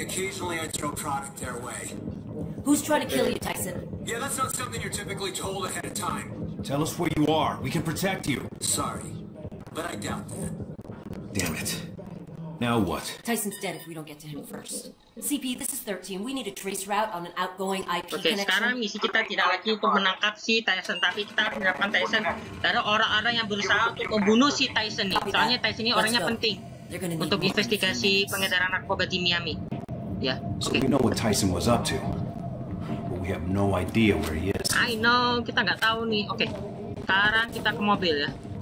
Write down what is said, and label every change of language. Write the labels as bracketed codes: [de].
[en] Occasionally I throw product their way. Who's trying to kill you, Tyson? Yeah, that's not something you're typically told ahead of time. Tell us where you are. We can protect you. Sorry, but I doubt that. Damn it. Now what? Tyson's dead if we don't get to him first. CP, this is 13. We need a trace route on an outgoing IP connection. [id] Oke, sekarang misi kita tidak lagi untuk menangkap si Tyson, tapi kita harus mendapatkan Tyson dari orang-orang yang berusaha untuk membunuh si Tyson nih. Soalnya Tyson ini orangnya penting untuk investigasi pengedaran narkoba di Miami. Ya. [en] So we know what Tyson was up to, but we have no idea where he is. I know, [id] kita nggak tahu nih. Oke, sekarang kita ke mobil ya.